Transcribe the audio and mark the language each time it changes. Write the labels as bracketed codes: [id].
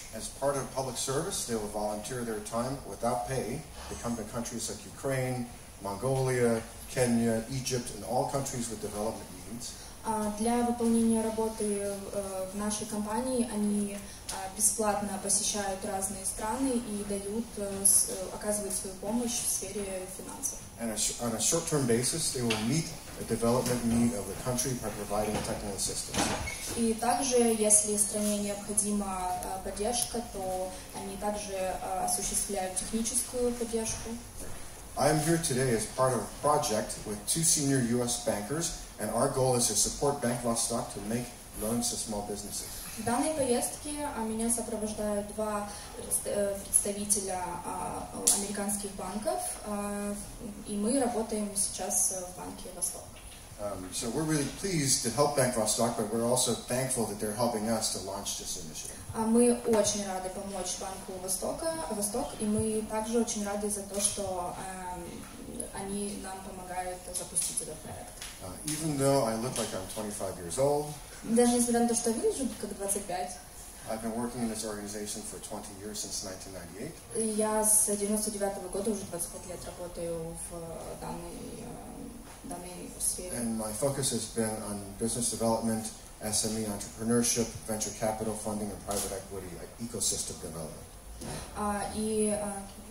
[en] As part of public service, they will volunteer their time without pay. They come to countries like Ukraine, Mongolia, Kenya, Egypt, and all countries with development needs. [ru] Для выполнения работы в нашей компании они бесплатно посещают разные страны и оказывают свою помощь в сфере финансов. [en] And on a short-term basis, they will meet a development need of the country by providing technical assistance. [ru] И также, если стране необходима поддержка, то они также осуществляют техническую поддержку. [en] I am here today as part of a project with two senior U.S. bankers, and our goal is to support Bank Vostok to make loans to small businesses. [ru] В данной поездке меня сопровождают два представителя американских банков, и мы работаем сейчас в Банке Восток. [en] So we're really pleased to help Bank Vostok, but we're also thankful that they're helping us to launch this initiative. [ru] Мы очень рады помочь Банку Восток, и мы также очень рады за то, что они нам помогают запустить этот проект. [en] Even though I look like I'm 25 years old, [ru] даже несмотря на то, что выгляжу как 25, [en] I've been working in this organization for 20 years since 1998. [ru] Я с 99 года уже 25 лет работаю в данной сфере. [en] And my focus has been on business development, SME entrepreneurship, venture capital funding, and private equity ecosystem development.